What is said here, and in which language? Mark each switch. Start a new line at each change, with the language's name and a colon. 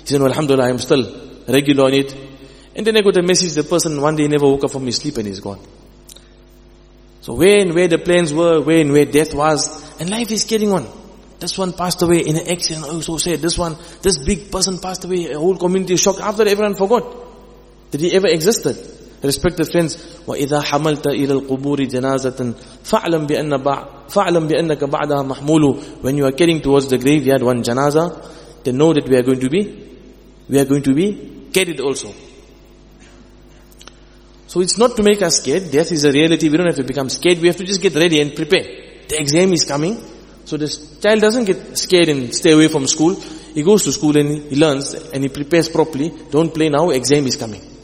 English: He said, alhamdulillah, I'm still regular on it. And then I got a message, the person one day never woke up from his sleep and he's gone. So where the plans were, where death was, and life is getting on. This one passed away in an accident, oh so sad. This one, this big person passed away, a whole community shocked. After everyone forgot that he ever existed. Respected friends,
Arabic: وَإِذَا حَمَلْتَ إِلَى الْقُبُورِ جَنَازَةً فَعْلَمْ بِأَنَّكَ بَعْدَهَا مَحْمُولُ.
English: When you are getting towards the graveyard, one janaza, then know that we are going to be carried also. So it's not to make us scared. Death is a reality. We don't have to become scared. We have to just get ready and prepare. The exam is coming. So this child doesn't get scared and stay away from school. He goes to school and he learns and he prepares properly. Don't play now. Exam is coming.